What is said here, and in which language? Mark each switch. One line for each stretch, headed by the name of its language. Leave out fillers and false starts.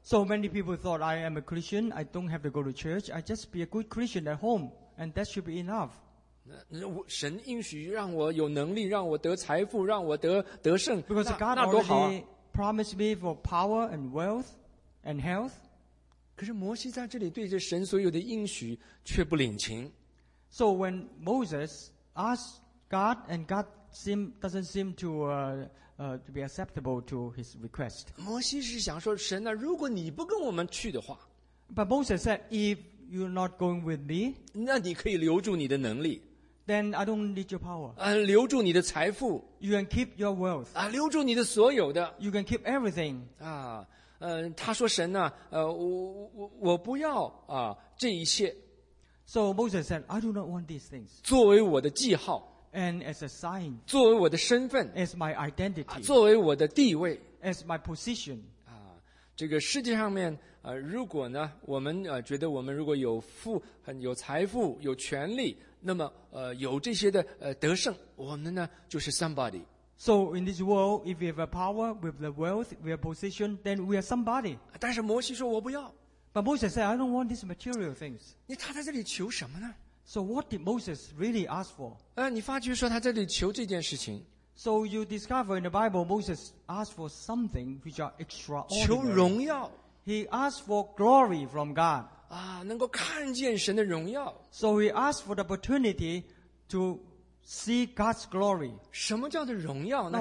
English: So many people thought I am a Christian. I don't have to go to church. I just be a good Christian at home, and that should be enough.
Chinese: 神应许让我有能力，让我得财富，让我得胜。
English: Because God already promised me for power and wealth and health.
Chinese: 可是摩西在这里对着神所有的应许却不领情。
English: So when Moses asked God, and God doesn't seem to be acceptable to his request.
Chinese: 摩西是想说，神啊，如果你不跟我们去的话
English: ，But Moses said, if you're not going with me,
Chinese: 那你可以留住你的能力。
English: Then I don't need your power.
Chinese: 留住你的财富。
English: You can keep your wealth.
Chinese: 留住你的所有的。
English: You can keep everything. 啊。
Chinese: 他说神呢、啊、我不要啊这一切。
English: So Moses said, I do not want these things.
Chinese: 作为我的记号。
English: And as a sign.
Chinese: 作为我的身份。
English: As my identity.、
Chinese: 啊、作为我的地位。
English: As my position.
Chinese: 啊这个世界上面如果呢我们觉得我们如果有富很有财富有权利那么有这些的得胜我们呢就是 somebody。
English: So in this world, if we have a power, we have the wealth, we have position, then we are somebody.
Chinese: 但是摩西说我不要。
English: But Moses said, I don't want these material things.
Chinese: 你他在这里求什么呢
English: ？So what did Moses really ask for?
Chinese: 你发觉说他这里求这件事情。
English: So you discover in the Bible, Moses asked for something which are extraordinary.
Chinese: 求荣耀。
English: He asked for glory from God.
Chinese: 啊，能够看见神的荣耀。
English: So he asked for the opportunity to. See God's glory.
Chinese: 什么叫做荣耀呢